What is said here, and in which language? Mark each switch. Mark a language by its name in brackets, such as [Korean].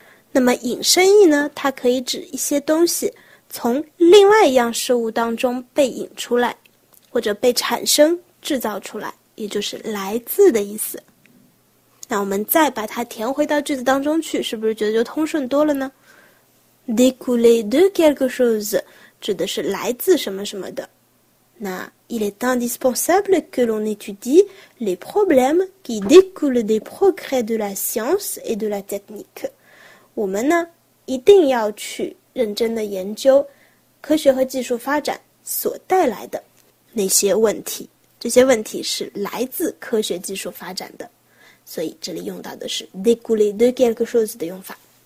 [Chinese] 那么引申义呢，它可以指一些东西从另外一样事物当中被引出来，或者被产生。制造出来，也就是来自的意思。那我们再把它填回到句子当中去，是不是觉得就通顺多了呢？ [French] Découler de quelque chose [Chinese] 指的是来自什么什么的。 [French] 那 il est indispensable que l'on étudie les problèmes qui découlent des progrès de la science et de la technique。 [Chinese] 我们呢，一定要去认真的研究科学和技术发展所带来的那些问题。这些问题是来自科学技术发展的，所以这里用到的是 [French] découler de quelque chose [Chinese] 的用法。